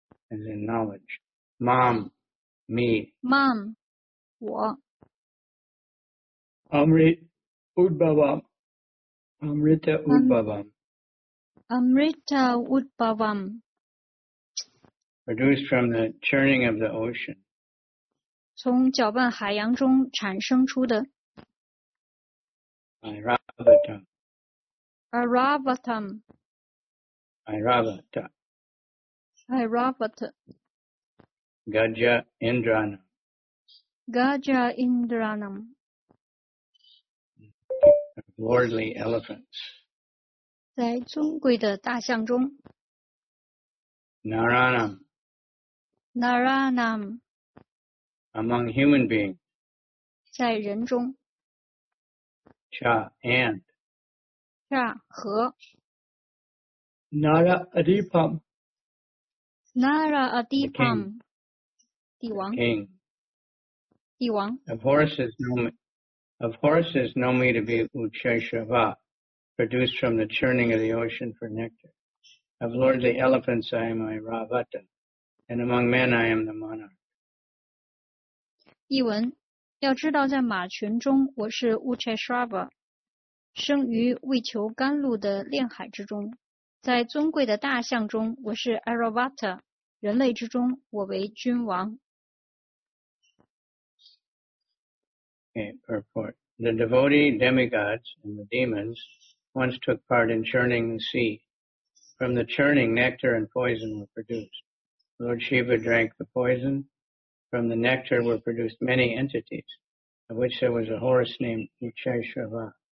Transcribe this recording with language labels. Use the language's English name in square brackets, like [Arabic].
[English] As in knowledge. Mom. Me. [Chinese] Mom. 我. [Sanskrit] Amri. Udbhavam. Amrita Udbhavam. Amrita Udbhavam. [English] Produced from the churning of the ocean. [Chinese] 从搅拌海洋中产生出的. [Sanskrit] Airavatam. Airavatam. Airavata. Airavata. Gaja Indranam. Gaja Indranam. [English] Lordly elephants. [Chinese] 在尊贵的大象中. [Sanskrit] Naranam. Naranam. [English] Among human beings. [Chinese] 在人中. [English] Cha and. [Chinese] Cha 和. [Sanskrit] Naradipam. Naradipam. [Chinese] 帝王.King. 帝王. [English] Of horses, no man. Of horses know me to be Uchaishava, produced from the churning of the ocean for nectar. Of lordly elephants I am Airavata, and among men I am the monarch. [Chinese] 译文, 要知道在马群中, 我是 Uchaishava, 生于为求甘露的炼海之中, 在尊贵的大象中, 我是 Airavata, 人类之中, 我为君王。 [English] Okay, purport. The devotee demigods and the demons once took part in churning the sea. From the churning, nectar and poison were produced. Lord Shiva drank the poison. From the nectar were produced many entities, of which there was a horse named Uchaishava.